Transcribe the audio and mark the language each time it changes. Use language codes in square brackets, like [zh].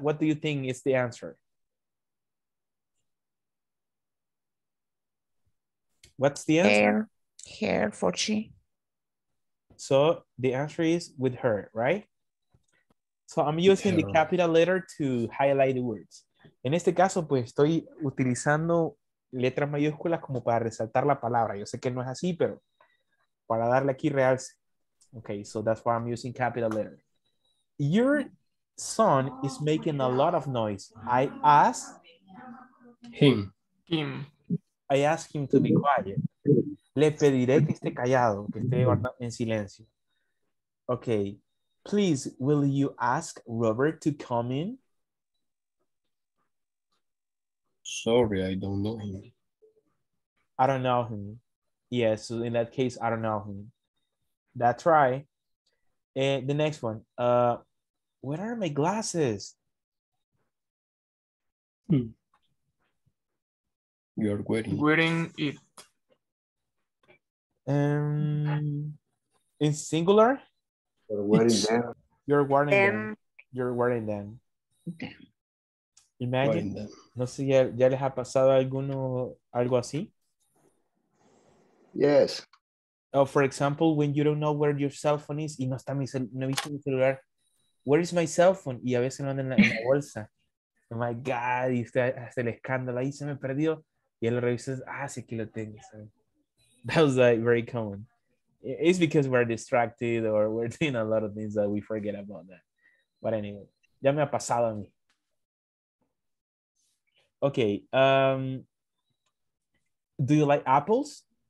[en] What do you think is the answer? What's the answer? Her, for she. So the answer is with her, right? So I'm using the capital letter to highlight the words. [es] En este caso, pues estoy utilizando letras mayúsculas como para resaltar la palabra. Yo sé que no es así, pero para darle aquí realce. [en] Okay, so that's why I'm using capital letter. Your son is making a lot of noise. I ask him. Him. I ask him to be quiet. [es] Le pediré que esté callado, que esté en silencio. [en] Okay. Please, will you ask Robert to come in? Sorry, I don't know him. I don't know him. Yes, so in that case, I don't know him. That's right. And the next one. Where are my glasses? You're wearing. Wearing it. In singular? You're wearing it's them. You're wearing them. You're wearing them. Okay. Imagine. [es] No sé, ¿ya les ha pasado alguno algo así? [en] Yes. Oh, for example, when you don't know where your cell phone is, [es] y no está mi cel, no he visto mi celular, [en] where is my cell phone? [es] Y a veces lo andan en la bolsa. [en] Oh my God, [es] y usted hace el escándalo, ahí se me perdió. Y él lo revisa, ah, sí, aquí lo tengo. [en] So, that was like very common. It's because we're distracted or we're doing a lot of things that we forget about that. But anyway, [es] ya me ha pasado a mí. [en] Okay, do you like apples?